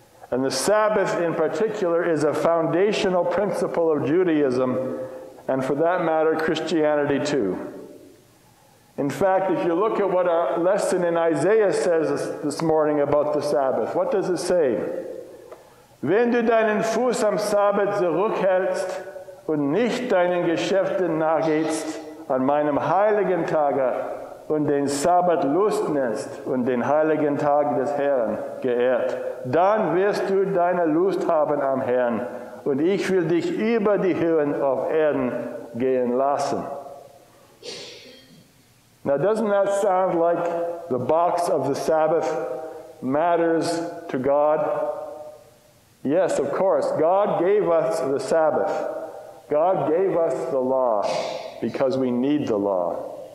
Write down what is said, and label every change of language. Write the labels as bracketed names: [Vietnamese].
[English] And the Sabbath in particular is a foundational principle of Judaism, and for that matter, Christianity too. In fact, if you look at what our lesson in Isaiah says this morning about the Sabbath, what does it say? [German] Wenn du deinen Fuß am Sabbat zurückhältst und nicht deinen Geschäften nachgehst an meinem heiligen Tage und den Sabbat Lust nennst und den heiligen Tag des Herrn geehrt, dann wirst du deine Lust haben am Herrn, und ich will dich über die Höhen auf Erden gehen lassen. [English] Now, doesn't that sound like the box of the Sabbath matters to God? Yes, of course. God gave us the Sabbath. God gave us the law because we need the law.